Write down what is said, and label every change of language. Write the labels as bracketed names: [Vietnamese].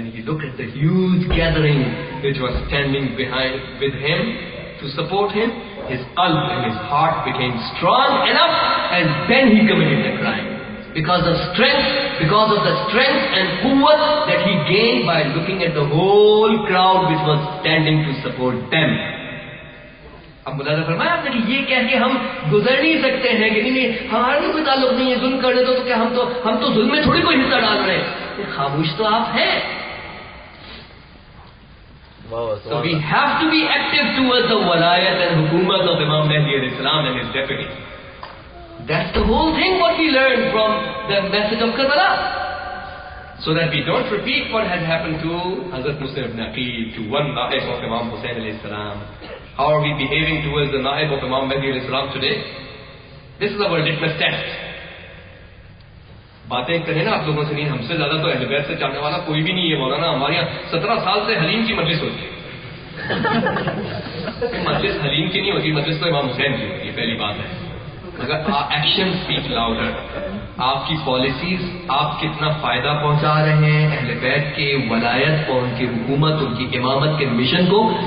[English] when he looked at the huge gathering which was standing behind with him to support him, his qalb and his heart became strong enough, and then he committed the crime. Because of the strength and quwwat that he gained by looking at the whole crowd which was standing to support them. [Urdu] اب مولانا فرمایا آپ نے کہ یہ کہہ کے ہم گزر نہیں سکتے ہیں کہ نہیں ہمارا بھی کوئی تعلق نہیں ہے ظلم کرنے تو کہ ہم تو ظلم میں تھوڑی کوئی حصہ ڈال رہے ہیں. خاموش تو آپ ہیں. [English] So we have to be active towards the walayat and hukumat of Imam Mahdi and Islam and his deputy. That's the whole thing what we learned from the message of Karbala. So that we don't repeat what had happened to Hazrat Musa ibn Aqil, to one naib of Imam Hussain alayhi salam. How are we behaving towards the naib of Imam Mahdi alayhi salam today? This is our litmus test. [Urdu] باتیں کریں نا آپ لوگوں سے نہیں, ہم سے زیادہ تو اہل بیت سے چاہنے والا کوئی بھی نہیں ہے مولانا. ہمارے یہاں 17 سال سے حلیم کی مجلس ہوتی ہے. مجلس حلیم کی نہیں ہوتی, مجلس تو امام حسین کی ہوتی ہے. پہلی بات ہے, اگر [English] action speak louder, [Urdu] آپ کی پالیسیز آپ کتنا فائدہ پہنچا رہے ہیں اہل بیت کے ولایت اور ان کی حکومت ان کی امامت کے مشن کو.